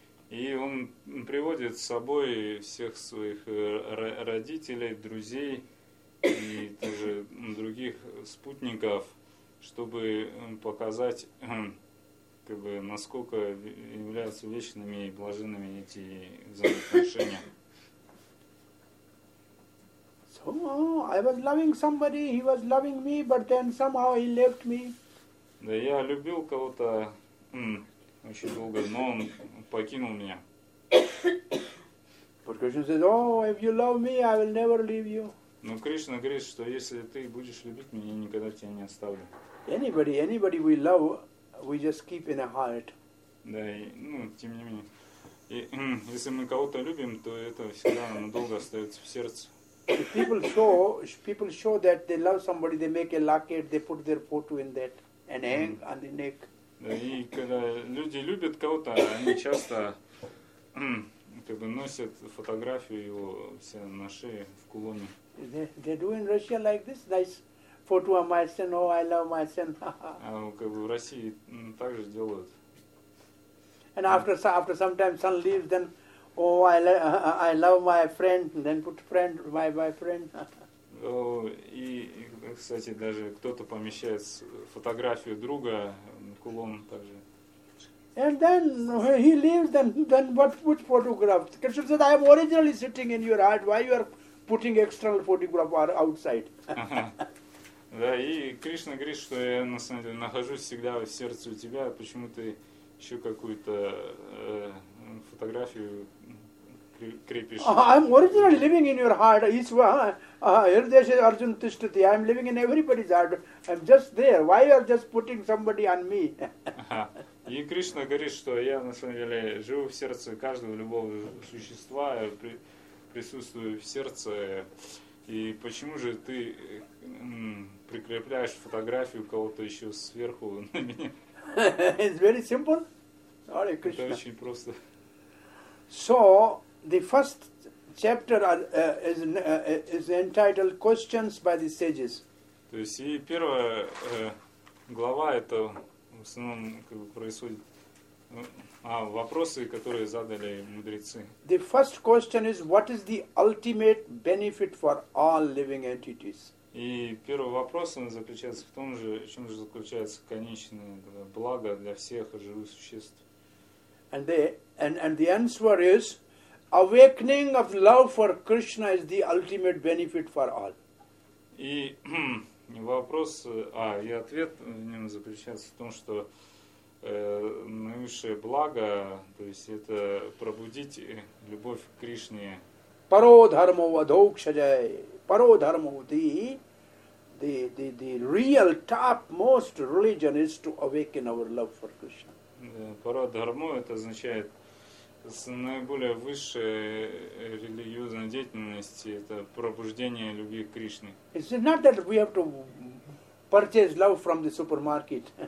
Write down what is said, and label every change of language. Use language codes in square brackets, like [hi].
[ru] И он приводит с собой всех своих родителей, друзей и также других спутников, чтобы показать, как бы, насколько являются вечными и блаженными эти взаимоотношения. [en] Oh, I was loving somebody, he was loving me, but then somehow he left me. [ru] Да, я любил кого-то очень долго, но он покинул меня. [en] But Krishna said, oh, if you love me, I will never leave you. [ru] Но Кришна говорит, что если ты будешь любить меня, я никогда тебя не оставлю. [en] Anybody we love, we just keep in our heart. [ru] Да, и, ну, тем не менее. И, если мы кого-то любим, то это всегда надолго остается в сердце. [en] If people show that they love somebody, they make a locket, they put their photo in that and hang on the neck. [ru] И когда люди любят кого-то, они часто как бы носят фотографию его все на шее в кулоне. [en] They do in Russia like this, nice photo of my son. Oh, I love my son. [ru] Как бы в России также делают. [en] And after some time, son leaves, then. Oh, I love my friend. Then put friend, my friend. [ru] И, кстати, даже кто-то помещает фотографию друга на кулон также. [en] And then he leaves. Then what? Which photograph? Krishna said, I am originally sitting in your heart. Why you are putting external photograph outside? [ru] Да, и Кришна говорит, что я на самом деле нахожусь всегда в сердце у тебя. Почему ты еще какую-то фотографию крепишь? [en] I'm originally living in your heart. Each one, [sa] Hirdesha Arjuna Tishtati, [en] I'm living in everybody's heart. I'm just there. Why you are just putting somebody on me? [ru] И Кришна говорит, что я на самом деле живу в сердце каждого любого существа, присутствую в сердце. И почему же ты прикрепляешь фотографию кого-то еще сверху на меня? [en] It's very simple. Sorry, Krishna. [ru] Это очень просто. [en] So the first chapter is entitled "Questions by the Sages." [ru] То есть и первая глава это в основном как бы происходит. Вопросы, которые задали мудрецы. [en] The first question is, what is the ultimate benefit for all living entities? [ru] И первый вопрос он заключается в том же, в чем же заключается конечное благо для всех живых существ. [en] And the answer is, awakening of love for Krishna is the ultimate benefit for all. [ru] И вопрос, и ответ в нем заключается в том, что наивысшее благо, то есть это пробудить любовь к Кришне. [sa] Паро дхармо вадхокшаджай. Паро дхармо. [en] The real topmost religion is to awaken our love for Krishna. [ru] Пара дхармо, это означает наиболее высшая религиозная деятельность, это пробуждение любви к Кришне. [en] It's not that we have to purchase love from the supermarket.